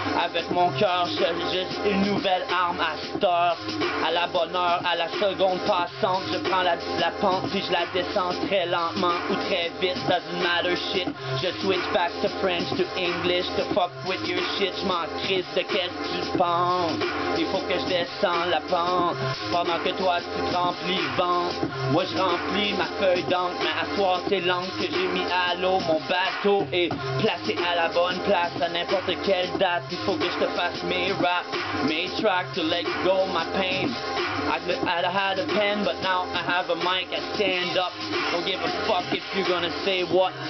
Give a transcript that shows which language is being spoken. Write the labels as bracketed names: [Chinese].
[French] Avec mon cœur, j'ai juste une nouvelle arme à cette heure. À la bonne heure, à la seconde passante, je prends la pente puis je la descends très lentement ou très vite. [English] Doesn't matter shit. Je switch back to French to English to fuck with your shit. [French] Je m'en crisse de qu'est-ce que tu penses. Il faut que je descende la pente pendant que toi tu te remplis le ventre. Moi je remplis ma feuille d'encre, mais à toi tes langues que j'ai mis à l'eau. Mon bateau est placé à la bonne place à n'importe quelle date. Il faut que je te fasse mes rap, mes [English] tracks to let go my pain. I had a pen, but now I have a mic. I stand up. Don't give a fuck if you're gonna say what.